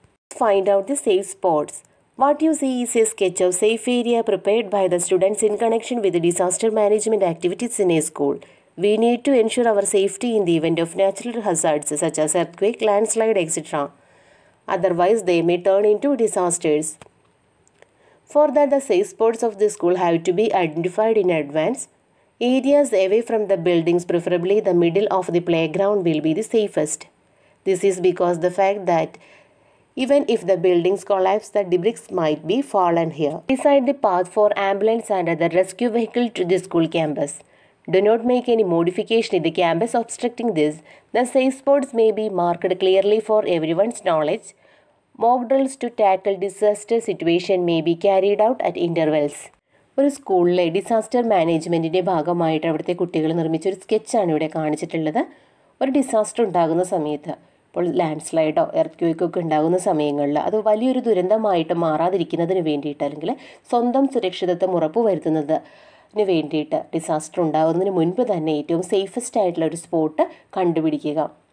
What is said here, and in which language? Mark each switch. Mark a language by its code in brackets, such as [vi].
[en] Find out the safe spots. What you see is a sketch of safe area prepared by the students in connection with disaster management activities in a school. We need to ensure our safety in the event of natural hazards such as earthquake, landslide etcetera. Otherwise they may turn in to disasters. For that, the safe spots of the school have to be identified in advance. Areas away from the buildings, preferably the middle of the playground, will be the safest. This is because the fact that even if the buildings collapse, the debris might be fallen here. Decide the path for ambulance and other rescue vehicle to the school campus. Do not make any modification in the campus obstructing this. The safe spots may be marked clearly for everyone's knowledge. Mock drills to tackle disaster situation may be carried out at intervals. [ml] ഒരു സ്കൂളിലെ disaster മാനേജ്മെൻറ്റിൻ്റെ ഭാഗമായിട്ട് അവിടുത്തെ കുട്ടികൾ നിർമ്മിച്ച ഒരു സ്കെച്ചാണ് ഇവിടെ കാണിച്ചിട്ടുള്ളത്. ഒരു ഡിസാസ്റ്റർ ഉണ്ടാകുന്ന സമയത്ത്, ഇപ്പോൾ ലാൻഡ് സ്ലൈഡോ എർത്ത്ക്വേക്കോ ഒക്കെ ഉണ്ടാകുന്ന സമയങ്ങളിൽ അത് വലിയൊരു ദുരന്തമായിട്ട് മാറാതിരിക്കുന്നതിന് വേണ്ടിയിട്ട്, അല്ലെങ്കിൽ സ്വന്തം സുരക്ഷിതത്വം ഉറപ്പു വരുത്തുന്നതിന് വേണ്ടിയിട്ട്, ഡിസാസ്റ്റർ ഉണ്ടാകുന്നതിന് മുൻപ് തന്നെ ഏറ്റവും സേഫസ്റ്റ് ആയിട്ടുള്ള ഒരു സ്പോട്ട് കണ്ടുപിടിക്കുക.